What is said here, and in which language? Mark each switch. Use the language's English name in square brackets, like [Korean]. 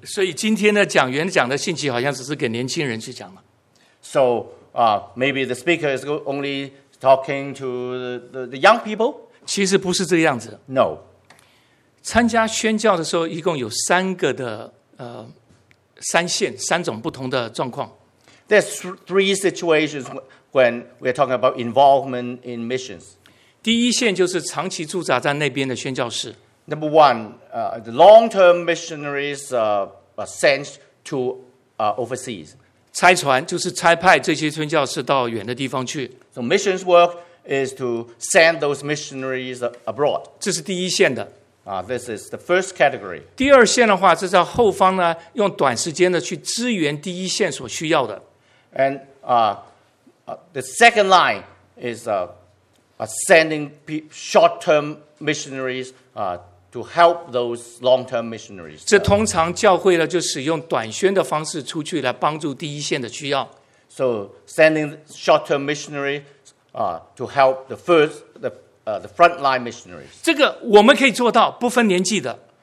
[Chinese] 所以今天的讲员讲的信息好像只是给年轻人去讲嘛。 [English] So, maybe the speaker is only talking to the young people. [Chinese] 其实不是这样子。 [English] No. [Chinese] 参加宣教的时候，一共有三个的三线，三种不同的状况。 [English] There's three situations when we're talking about involvement in missions. [Chinese] 第一线就是长期驻扎在那边的宣教士。 [English] Number one, the long-term missionaries are sent to overseas. [Chinese] 拆船就是拆派这些宣教士到远的地方去。 [English] So missions work is to send those missionaries abroad. [Chinese] 这是第一线的。 [English] This is the first category. [Chinese] 第二线的话，是在后方呢，用短时间的去支援第一线所需要的。 [English] And the second line is sending short-term missionaries. To help those long-term missionaries. [Chinese] 这通常教会呢就使用短宣的方式出去来帮助第一线的需要。 [English] So sending short-term missionaries to help the front-line missionaries. [Chinese] 这个我们可以做到，不分年纪的。